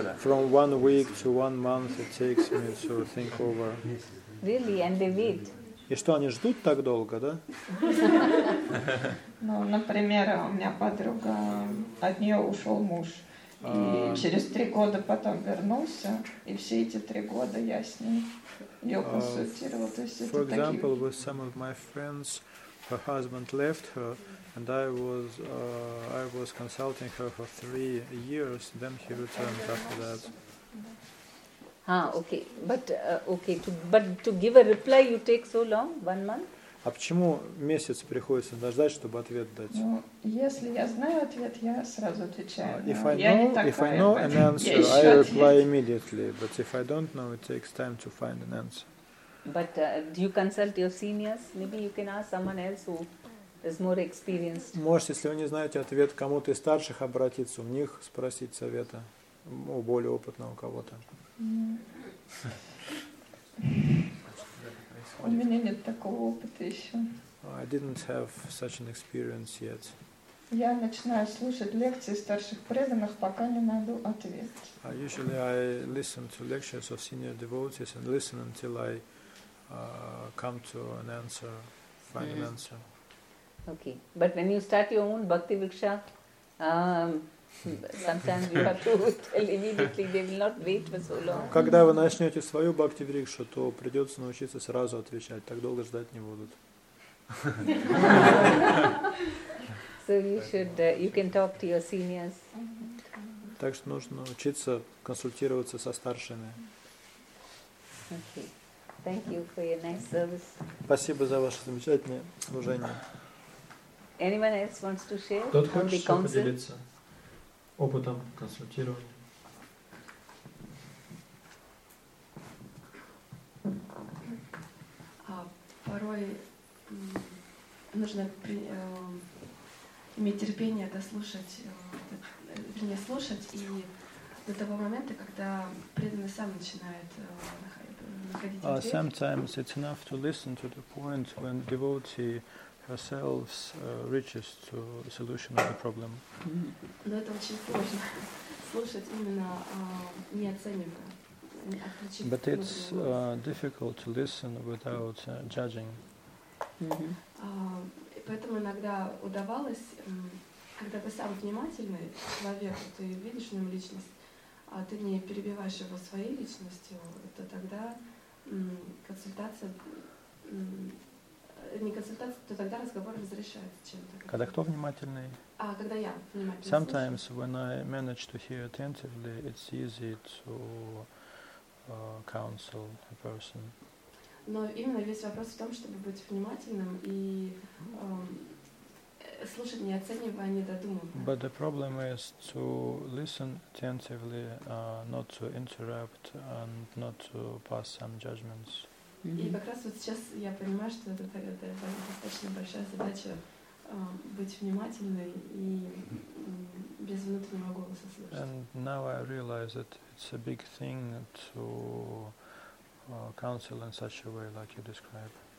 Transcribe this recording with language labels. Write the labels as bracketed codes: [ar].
[en] From 1 week to 1 month, it takes me to think over. Really, and they wait. [ru] И что, они ждут так долго, да? Ну, например, у меня подруга, от нее ушел муж. И через 3 года потом вернулся. И все эти 3 года я с ней ее консультировал. То есть [en] for example, with some of my friends, her husband left her, and I was consulting her for 3 years, then he returned after that. But to give a reply you take so long, 1 month? [ru] А почему месяц приходится дождать, чтобы ответ дать? Ну, если я знаю ответ, я сразу отвечаю. [en] If I know an answer, I reply immediately. But if I don't know, it takes time to find an answer. But do you consult your seniors? Maybe you can ask someone else who is more experienced. [ru] Может, если вы не знаете ответ, кому-то из старших обратиться, у них спросить совета, у более опытного кого-то. У меня нет такого опыта еще. [en] I didn't have such an experience yet. [ru] Я начинаю слушать лекции старших преданных, пока не найду ответ. [en] Usually I listen to lectures of senior devotees and listen until I come to an answer, find an answer. Okay, but when you start your own bhakti viksha, sometimes you have to tell immediately. They will not wait for so long. [ru] Когда вы начнете свою бхакти врикшу, то придется научиться сразу отвечать. Так долго ждать не будут. [en] So you should, you can talk to your seniors. [ru] Так что нужно учиться консультироваться со старшими. [en] Okay, thank you for your nice service. [ru] Спасибо за ваше замечательное служение. [en] Anyone else wants to share? [ru] Тот хочет поделиться опытом консультирования. Порой нужно иметь терпение дослушать, вернее, слушать, и до того момента, когда преданный сам начинает находить ответ. [en] Sometimes it's enough to listen to the point when devotee herself reaches to a solution of the problem. [ru] Но это очень сложно слушать именно не оценивая. [en] But it's difficult to listen without judging. [ru] Поэтому иногда удавалось, когда ты сам внимательный человек, ты видишь в нем личность, а ты не перебиваешь его своей личностью, то тогда консультация не консультация, то тогда разговор разрешается чем-то. Когда кто внимательный? Когда я внимательный. [en] Sometimes [ru] слушаю. [en] When I manage to hear attentively, it's easy to counsel a person. [ru] Но именно весь вопрос в том, чтобы быть внимательным и слушать, не оценивая, не додумывая. [en] But the problem is to listen attentively, not to interrupt and not to pass some judgments. [ru] И как раз вот сейчас я понимаю, что это достаточно большая задача быть внимательной и без внутреннего голоса слушать. [en] And now I realize that it's a big thing to counsel in such a way, like you describe.